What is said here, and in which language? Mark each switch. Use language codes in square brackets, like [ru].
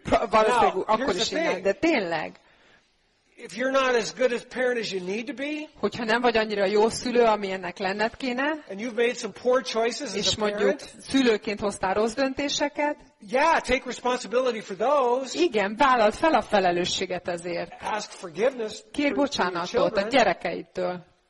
[hu] Valószínűleg akkor is innen, de tényleg. [en] If you're not as good a parent as you need to be, [hu] hogyha nem vagy annyira jó szülő, amilyennek lenned kéne, [en] and you've made some poor choices as a parent, [hu] szülőként hoztál rossz döntéseket, [en] yeah, take responsibility for those. [hu] Igen, vállald fel a felelősséget ezért. [en] Ask forgiveness. [hu] Kér bocsánatot a gyerekeidtől.